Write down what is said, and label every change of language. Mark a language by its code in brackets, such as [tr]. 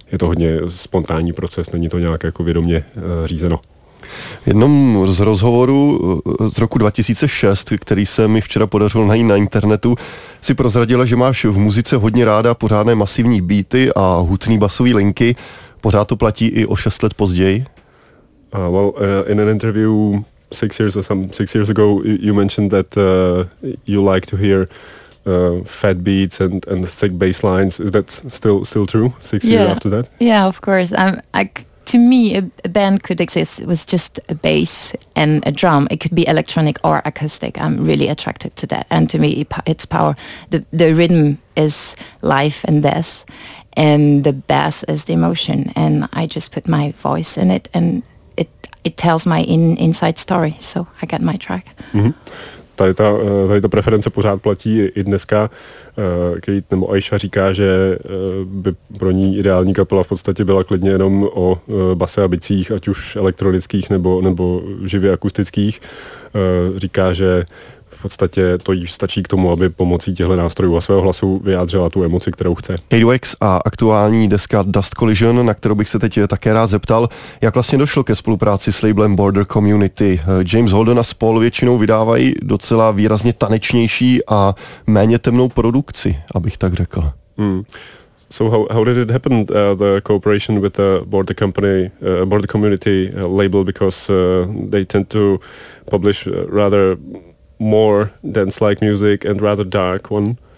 [cs] Je to hodně spontánní proces, není to nějak jako vědomě řízeno. V jednom z rozhovorů z roku 2006, který se mi včera podařil najít na internetu, si prozradila, že máš v muzice hodně ráda pořádné masivní beaty a hutný basový linky. Pořád to platí i o 6 let později? [en] In an interview six years ago, you mentioned that you like to hear fat beats and thick bass lines. Is that still true, six years after that? Yeah, of course. To me, a band could exist with just a bass and a drum. It could be electronic or acoustic. I'm really attracted to that. And to me, it's power. The rhythm is life and death. And the bass is the emotion, and I just put my voice in it, and it tells my inside story, so I got my track. Mm-hmm. [cs] Tady ta preference pořád platí i dneska. Kate nebo Aisha říká, že by pro ní ideální kapela v podstatě byla klidně jenom o base a bicích, ať už elektronických nebo živě akustických. Říká, že v podstatě to jí stačí k tomu, aby pomocí těchto nástrojů a svého hlasu vyjádřila tu emoci, kterou chce. Kate Wex a aktuální deska Dust Collision, na kterou bych se teď také rád zeptal, jak vlastně došlo ke spolupráci s labelem Border Community. James Holden a spol. Většinou vydávají docela výrazně tanečnější a méně temnou produkci, abych tak řekl. [en] So how did it happen, the cooperation with the Border Company, Border Community label, because they tend to publish rather more dance-like music and rather dark one.